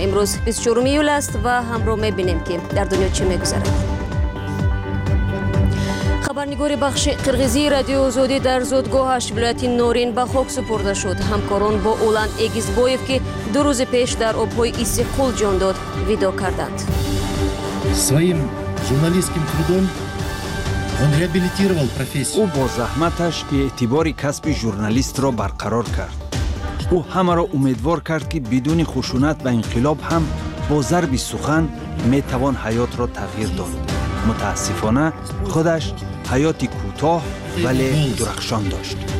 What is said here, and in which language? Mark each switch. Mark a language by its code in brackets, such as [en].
[tg] Имрӯз 24 июл аст ва ҳамроҳ мебинем ки дар дунё чӣ мегузарад. Хабарнигори бахши Қирғизии радиои Озодӣ дар зодгоҳаш вилояти Норин ба хок супурда шуд. Ҳамкорон бо Улан Эгизбоев, ки ду рӯзи пеш дар обҳои Иссиқкул ҷон дод, видо карданд. [ru] Своим журналистским трудом он реабилитировал профессию. [tg] О, бо заҳматаш эътибори касби журналистро барқарор кард. Ӯ ҳамаро умедвор кард, ки бидуни хушунат ва инқилоб ҳам бо зарби сухан метавон ҳаётро тағйир дод. [fa] متاسفانه خودش حیاتی کوتاه ولی درخشان داشت.